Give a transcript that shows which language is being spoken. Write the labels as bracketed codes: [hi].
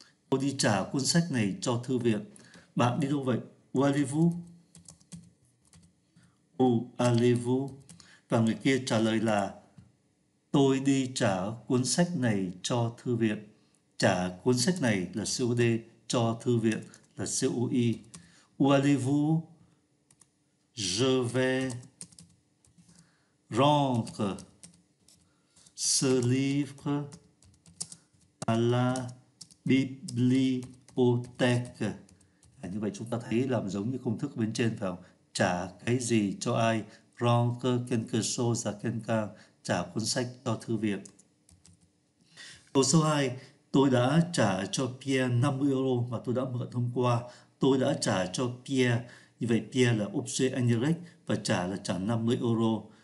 [vi] Tôi đi trả cuốn sách này cho thư viện. Bạn đi đâu vậy? [fr] Où allez-vous? Où allez-vous? [vi] Và người kia trả lời là tôi đi trả cuốn sách này cho thư viện. Trả cuốn sách này là COD, cho thư viện là COI. [fr] Où allez-vous? Je vais rendre ce livre à la bibliothèque. [vi] Như vậy chúng ta thấy làm giống như công thức bên trên, phải không? Trả cái gì cho ai? [fr] Rendre quelque chose à quelqu'un, [vi] trả cuốn sách cho thư viện. Câu số 2, tôi đã trả cho Pierre 50 euro mà tôi đã mượn hôm qua. Tôi đã trả cho Pierre. Như vậy Pierre là objet indirect và trả là trả 50 euro.